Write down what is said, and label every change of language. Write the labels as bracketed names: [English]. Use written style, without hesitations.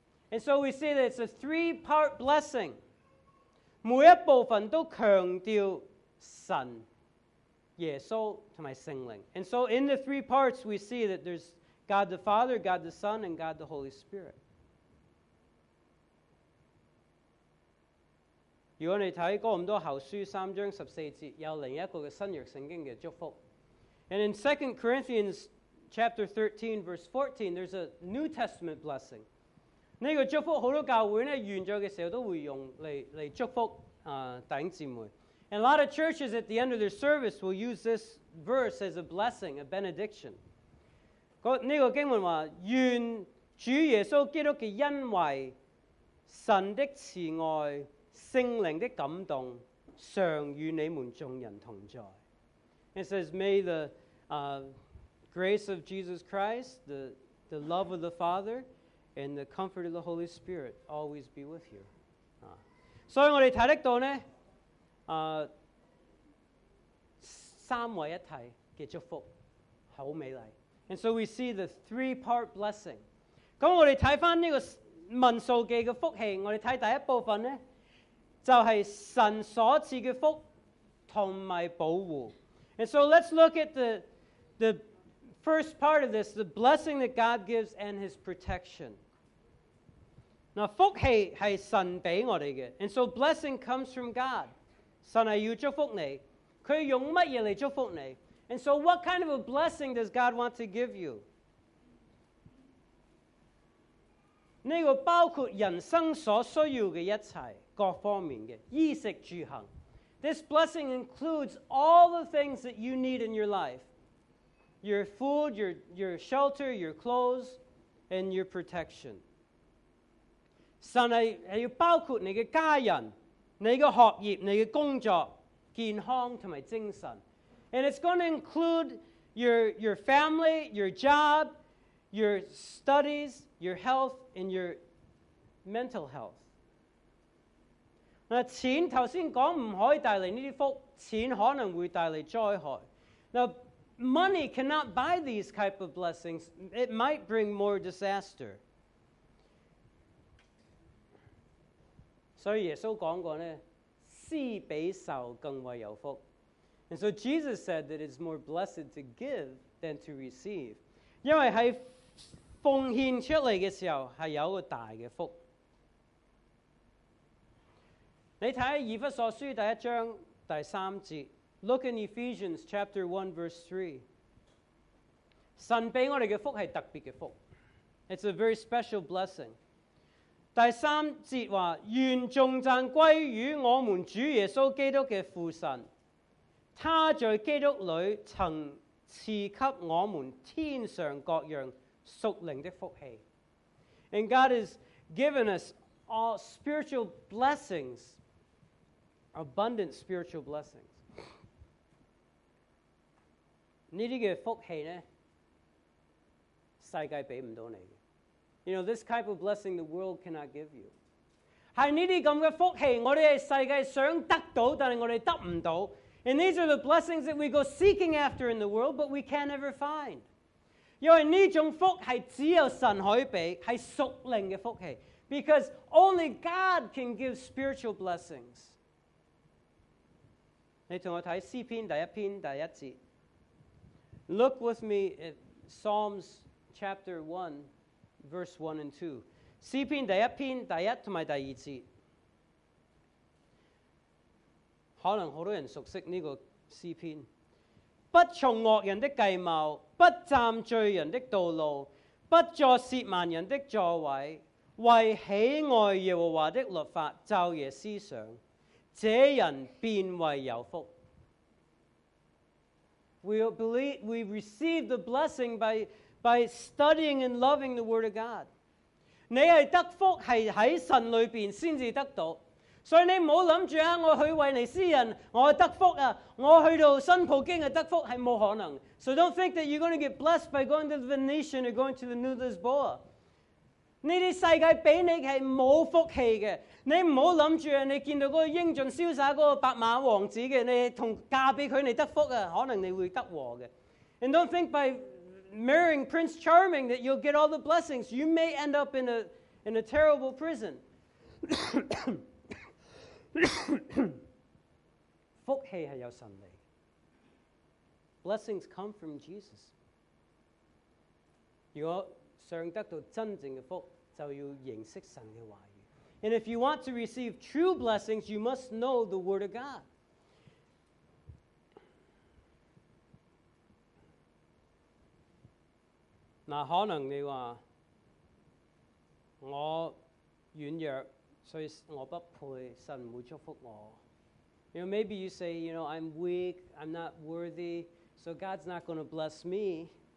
[English] and so we see that it's a three-part blessing. [Chinese] 每一部分都强调神耶稣同埋圣灵。 [English] And so in the three parts we see that there's God the Father, God the Son, and God the Holy Spirit. [Chinese] 如果你睇哥林多后书三章十四节，有另一个嘅新约圣经嘅祝福。 [English] And in 2 Corinthians chapter 13 verse 14, there's a New Testament blessing. [Chinese] 呢个祝福好多教会咧完咗嘅时候都会用嚟祝福弟兄姊妹。 [English] And a lot of churches at the end of their service will use this verse as a blessing, a benediction. [Chinese] 这个经文说，愿主耶稣基督的恩惠、神的慈爱、圣灵的感动，常与你们众人同在。 [English] It says, may the grace of Jesus Christ, the love of the Father, and the comfort of the Holy Spirit always be with you. [Chinese] 所以我们看得到呢，三位一体的祝福好美丽。 [English] And so we see the three part blessing. [Chinese] 那我们看回这个文数记的福气，我们看第一部分呢，就是神所赐的福同埋保护。 [English] And so let's look at the first part of this, the blessing that God gives and his protection. [Chinese] 那福气是神给我们的。 [English] And so blessing comes from God. [Chinese] 神要祝福你，祂用什么来祝福你？ [English] And so what kind of a blessing does God want to give you? [Chinese] 这个包括人生所需要的一切，各方面的，衣食住行。 [English] This blessing includes all the things that you need in your life. Your food, your shelter, your clothes, and your protection. [Chinese] 神要包括你的家人，你的学业，你的工作，健康和精神。 [English] And it's going to include your family, your job, your studies, your health, and your mental health. [Chinese] 那钱刚才说不可以带来这些福，钱可能会带来灾害。 [English] Now, money cannot buy these type of blessings. It might bring more disaster. [Chinese] 所以耶稣说过呢，施比受更为有福。 [English] And so Jesus said that it's more blessed to give than to receive. [Chinese] 因为在奉献出来的时候是有个大的福。你看以弗所书第一章第三节， [English] Look in Ephesians chapter 1 verse 3. [Chinese] 神给我们的福是特别的福。 [English] It's a very special blessing. [Chinese] 第三节说，愿颂赞归于我们主耶稣基督的父神，他在基督里曾赐给我们天上各样属灵的福气。 [English] And God has given us all spiritual blessings, abundant spiritual blessings. [Chinese] 这些福气呢，世界给不到你。 [English] You know, this type of blessing the world cannot give you. [Chinese] 是这些这样的福气，我们世界想得到，但是我们得不到。 [English] And these are the blessings that we go seeking after in the world, but we can't ever find. [Chinese] 因为这种福是只有神可以给，是属灵的福气。 [English] Because only God can give spiritual blessings. [Chinese] 你跟我看诗篇第一篇第一节。 [English] Look with me at Psalms chapter 1. Verse 1 and 2. [Chinese] 詩篇第一篇第一和第二節，可能很多人熟悉这个詩篇。不從惡人的計謀，不站罪人的道路，不坐涉萬人的座位，為喜愛耶和華的律法晝夜思想，這人便為有福。 [English] We receive the blessing by studying and loving the Word of God. [Chinese] 你是得福是在神里面才得到，所以你不要想着我去为你施恩我得福，我去到新葡京的得福是不可能。 [English] So don't think that you're going to get blessed by going to the Venetian or going to the New Lisboa. [Chinese] 这些世界给你是没福气的，你不要想着你见到那个英俊潇洒那个白马王子的，你跟嫁给他你得福，可能你会得祸的。 [English] And don't think byMarrying Prince Charming that you'll get all the blessings. You may end up in a terrible prison. [Chinese] 福气是由神来的。 [English] Blessings come from Jesus. [Chinese] 如果想得到真正的福，就要认识神的话语。 [English] And if you want to receive true blessings, you must know the Word of God. [Chinese] 那可能你话我软弱，所以我不配，神唔会祝福我。 [English] You know, maybe you say, you know, I'm weak, I'm not worthy, so God's not going to bless me.